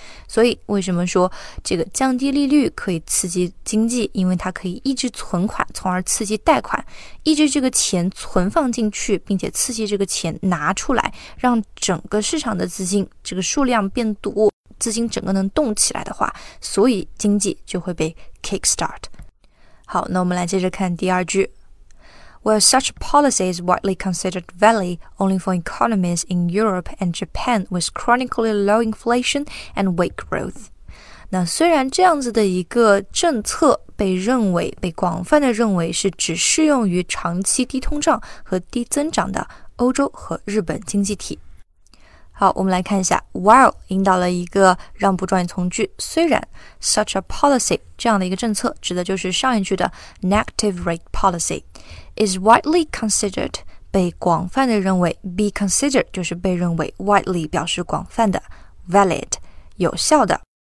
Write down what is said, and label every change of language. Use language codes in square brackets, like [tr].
[zh] 所以为什么说这个降低利率可以刺激经济，因为它可以抑制存款，从而刺激贷款，抑制这个钱存放进去，并且刺激这个钱拿出来，让整个市场的资金这个数量变多，资金整个能动起来的话，所以经济就会被 kickstart。好，那我们来接着看第二句。 [en] Well, such a policy is widely considered valid only for economies in Europe and Japan with chronically low inflation and weak growth. [zh] 那虽然这样子的一个政策被认为，被广泛的认为是只适用于长期低通胀和低增长的欧洲和日本经济体。好，我们来看一下 while 引导了一个让不状语从句，虽然 [en] such a policy [zh] 这样的一个政策指的就是上一句的 [en] negative rate policy is widely considered [zh] 被广泛的认为， [en] be considered [zh] 就是被认为， widely 表示广泛的， valid 有效的。